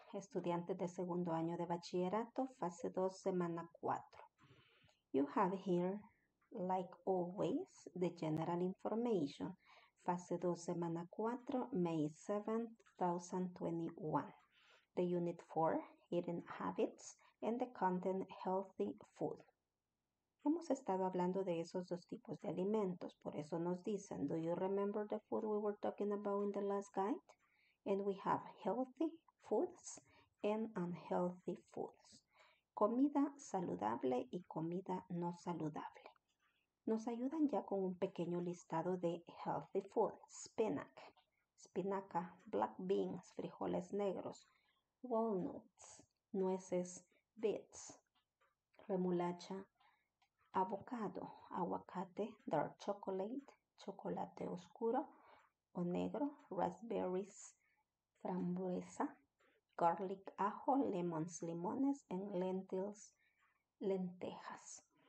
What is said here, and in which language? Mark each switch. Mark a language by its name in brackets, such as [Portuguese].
[Spanish] Estudiantes de segundo año de bachillerato, fase 2, semana 4. [English] You have here, like always, the general information. [Spanish] Fase 2, semana 4, [English] May 7, [Spanish] 2021. [English] The unit 4, eating habits, and the content, healthy food. [Spanish] Hemos estado hablando de esos dos tipos de alimentos, por eso nos dicen, [English] do you remember the food we were talking about in the last guide? And we have healthy foods and unhealthy foods. [Spanish] Comida saludable y comida no saludable. Nos ayudan ya con un pequeño listado de [English] healthy foods. [Spanish] Spinach, espinaca, black beans, frijoles negros, walnuts, nueces, beets, remolacha, avocado, aguacate, dark chocolate, chocolate oscuro o negro, raspberries, frambuesa, garlic, ajo, lemons, limones, and lentils, lentejas.